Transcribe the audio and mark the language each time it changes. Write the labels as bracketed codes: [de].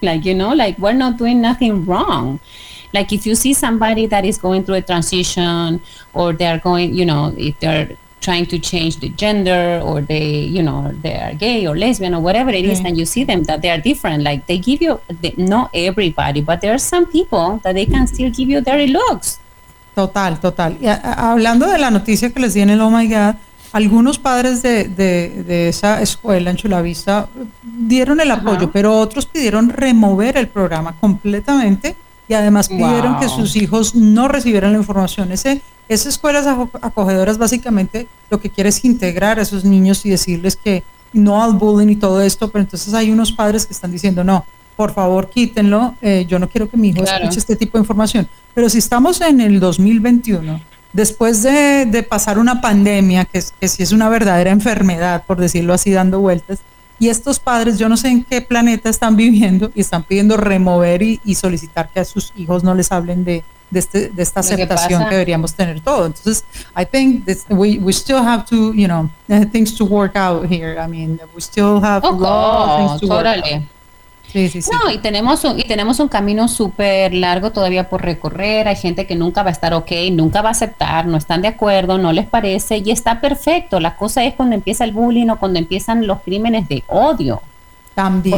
[en] Like, you know, like, we're not doing nothing wrong. Like, if you see somebody that is going through a transition, or they are going, you know, if they're trying to change the gender, or they, you know, they are gay or lesbian or whatever it is, and you see them that they are different, like, they give you, not everybody, but there are some people that they can still give you dirty looks. [es] Total, total. Y hablando de la noticia que les di en el Oh My God, algunos padres de esa escuela en Chula Vista dieron el apoyo, pero otros pidieron remover el programa completamente y además pidieron que sus hijos no recibieran la información. Esa escuela es acogedora, básicamente lo que quiere es integrar a esos niños y decirles que no al bullying y todo esto, pero entonces hay unos padres que están diciendo no, por favor quítenlo, yo no quiero que mi hijo escuche este tipo de información. Pero si estamos en el 2021, después de pasar una pandemia, que sí es una verdadera enfermedad, por decirlo así, dando vueltas, y estos padres, yo no sé en qué planeta están viviendo, y están pidiendo remover y solicitar que a sus hijos no les hablen de esta aceptación que deberíamos tener todo. Entonces, [en] I think we still have to, you know, things to work out here. I mean, we still have a lot of things to work out. [es] Sí. No, y tenemos un camino súper largo todavía por recorrer. Hay gente que nunca va a estar okay, nunca va a aceptar, no están de acuerdo, no les parece y está perfecto. La cosa es cuando empieza el bullying o cuando empiezan los crímenes de odio. También.